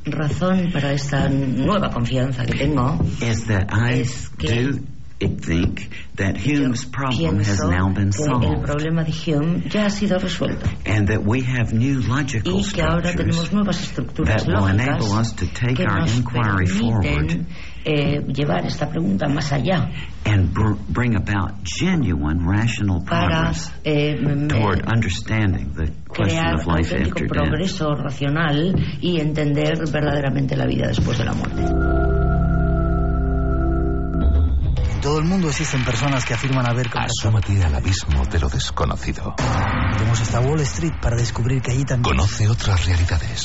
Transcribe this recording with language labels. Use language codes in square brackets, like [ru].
[es] otra razón para esta nueva confianza que tengo, [en] is that I do think that Hume's problem has now been solved. [es] El problema de Hume ya ha sido resuelto. [en] And that we have new logical [es] y que [en] structures [es] ahora tenemos nuevas estructuras [en] that [es] lógicas [en] will enable us to take our inquiry forward. [es] Llevar esta pregunta más allá [en] and bring about genuine rational progress toward understanding the question of life after death. [es] Crear auténtico progreso racional y entender verdaderamente la vida después de la muerte. En todo el mundo existen personas que afirman haber conocido. Asómate al abismo de lo desconocido. Vamos hasta Wall Street para descubrir que allí también conoce otras realidades.